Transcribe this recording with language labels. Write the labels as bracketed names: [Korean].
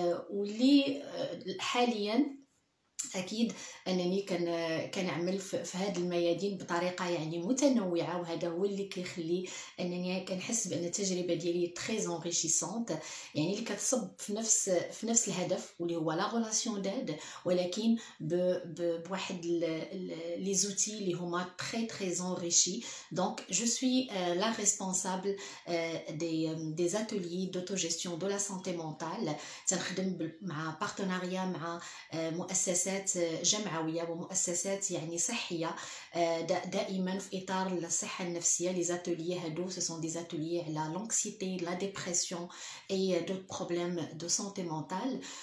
[Arabic] واللي حاليا أكيد أنني كان أعمل في هاد الميادين بطريقة يعني متنوعة، وهذا هو اللي كيخلي أنني كنحس بأن التجربة ديالي [French] très enrichissante، [Arabic] يعني اللي كتصب في نفس الهدف واللي هو [French] la relation d'aide، [Arabic] ولكن بواحد لي زوتي اللي هما [French] très très enrichi. Donc je suis la responsable des ateliers d'autogestion de la santé mentale. [Arabic] تنخدم مع partenariat مع مؤسسات جمعوية ومؤسسات يعني صحية دائما في إطار الصحة النفسية. [French] les ateliers [Arabic] هادو [French] ce sont des ateliers [Arabic] على [French] l'anxiété, la dépression et d'autres problèmes de santé mentale.